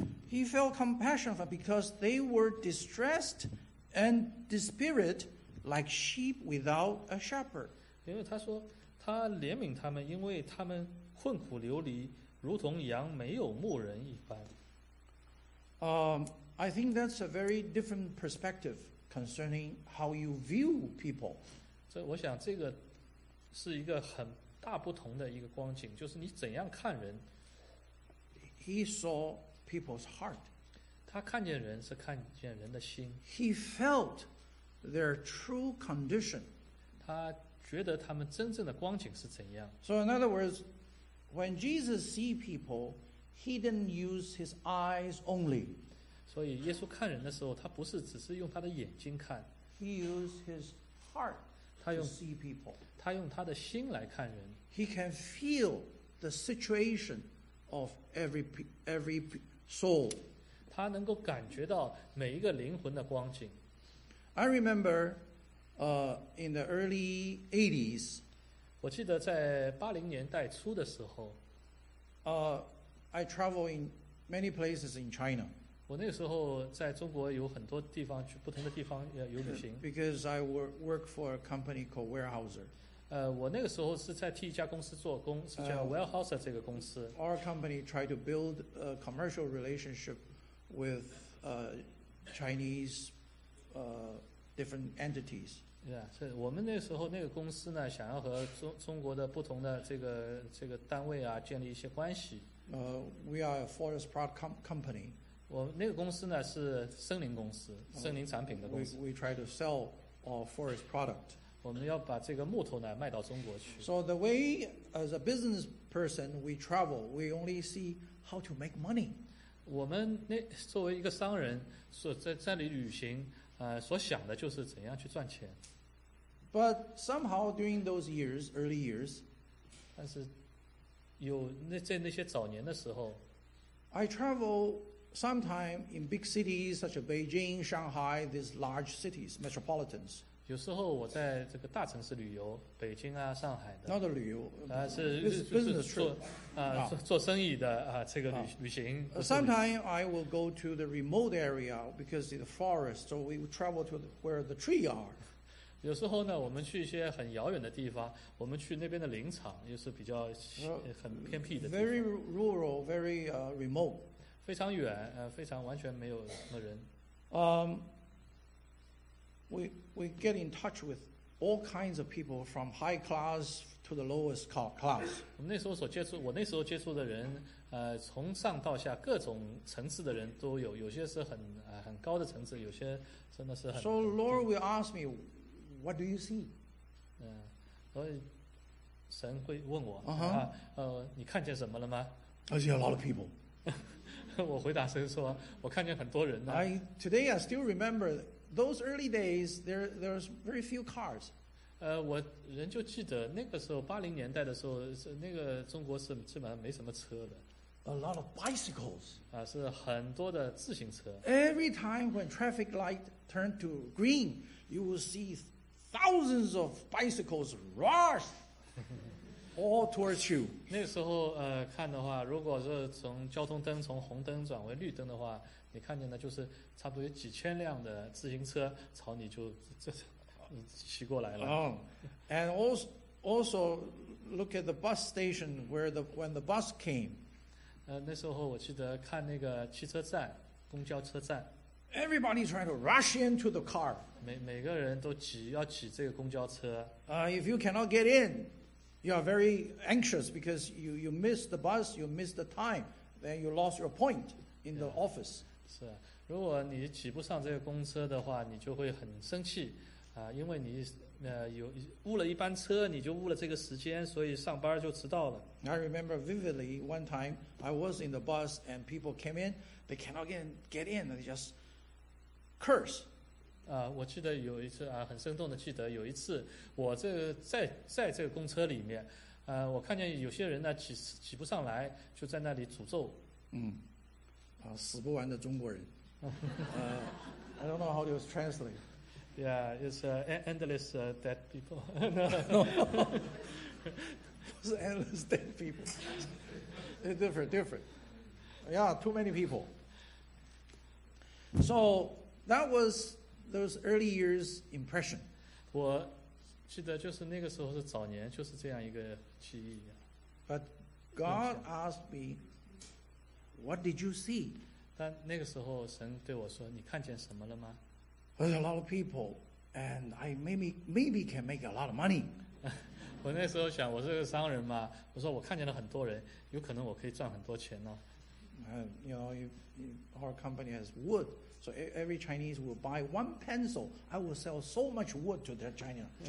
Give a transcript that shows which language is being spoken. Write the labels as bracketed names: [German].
[English] He felt compassion for because they were distressed and dispirited like sheep without a shepherd. [Chinese] 因为他说他怜悯他们，因为他们困苦流离，如同羊没有牧人一般。 [English] I think that's a very different perspective concerning how you view people. [Chinese] 这我想这个是一个很。大不同的一个光景，就是你怎样看人。 [English] He saw people's heart. [Chinese] 他看见人是看见人的心。 [English] He felt their true condition. [Chinese] 他觉得他们真正的光景是怎样。 [English] So in other words, when Jesus see people, he didn't use his eyes only. [Chinese] 所以耶稣看人的时候，他不是只是用他的眼睛看。 [English] He used his heart. To see people. [Chinese] 他用他的心来看人。 [English] He can feel the situation of every soul. [Chinese] 他他能够感觉到每一个灵魂的光景。 [English] I remember, in the early 80s, [Chinese] 我记得在80年代初的时候， [English] I travel in many places in China. [Chinese] 我那时候在中国有很多地方，去不同的地方有旅行。 [English] Because I work for a company called Weyerhaeuser. [Chinese] 我那个时候是在替一家公司做工，是叫 Weyerhaeuser 这个公司。 [English] Our company tried to build a commercial relationship with Chinese different entities. [Chinese] Yeah, 我们那时候那个公司呢，想要和中国的不同的这个单位啊，建立一些关系。 [English] We are a forest product company. [Chinese] 我那个公司呢是森林公司，森林产品的公司。 [English] We try to sell our forest product. [Chinese] 我们要把这个木头呢卖到中国去。 [English] So the way as a business person we travel, we only see how to make money. [Chinese] 我们那作为一个商人，所在这里旅行，所想的就是怎样去赚钱。 [English] But somehow during those years, early years, [Chinese] 但是有那在那些早年的时候， [English] I travel sometime in big cities such as Beijing, Shanghai, these large cities, metropolitans. [Chinese] 有时候我在这个大城市旅游，北京啊、上海的。 [English] Not a [Chinese] 旅游，是 [English] business trip. [Chinese] 做生意的这个旅行。 [English] Sometime I will go to the remote area because the forest, so we travel to where the tree are. [Chinese] 有时候呢，我们去一些很遥远的地方，我们去那边的林场，又是比较很偏僻的地方。 [English] Very rural, very remote. [Chinese] 非常远，非常完全没有什么人。 [English] We get in touch with all kinds of people from high class to the lowest class. [Chinese] 我那时候接触的人，从上到下各种层次的人都有，有些是很高的层次，有些真的是很。 [English] So Lord will ask me, what do you see? [Chinese] 所以神会问我，你看见什么了吗？ [English] I see a lot of people. [Chinese] 我回答神说，我看见很多人呢。 [English] Today I still remember those early days, there's very few cars. [Chinese] 我人就记得那个时候八零年代的时候，那个中国是基本上没什么车的。 [English] A lot of bicycles. [Chinese] 是很多的自行车。 [English] Every time when traffic light turned to green, you will see thousands of bicycles rush all towards you. [Chinese] 那个时候看的话，如果是从交通灯从红灯转为绿灯的话。你看见的就是差不多有几千辆的自行车朝你就骑过来了。 [English] And also look at the bus station when the bus came. [Chinese] 那时候我记得看那个汽车站，公交车站。 [English] Everybody trying to rush into the car. [Chinese] 每个人都要挤这个公交车。 [English] If you cannot get in, you are very anxious because you miss the bus, you miss the time, then you lost your point in the office. [Chinese] 是，如果你挤不上这个公车的话，你就会很生气，因为你有误了一班车，你就误了这个时间，所以上班就迟到了。 [English] I remember vividly one time I was in the bus and people came in, they cannot get in, they just curse. [Chinese] 我记得有一次很生动的记得有一次我这个在这个公车里面，我看见有些人呢挤不上来，就在那里诅咒。死不完的中国人。 [English] I don't know how to translate. Yeah, it's endless dead people. It's endless dead people. It's different. Yeah, too many people. So that was those early years impression. [Chinese] 我记得就是那个时候是早年，就是这样一个记忆。 [English] But God asked me, what did you see? [Chinese] 但那个时候神对我说，你看见什么了吗？ [English] There's a lot of people and I maybe can make a lot of money. [Chinese] 我那时候想，我是个商人嘛，我说我看见了很多人，有可能我可以赚很多钱呢。 [English] You know, our company has wood, so every Chinese will buy one pencil, I will sell so much wood to their China.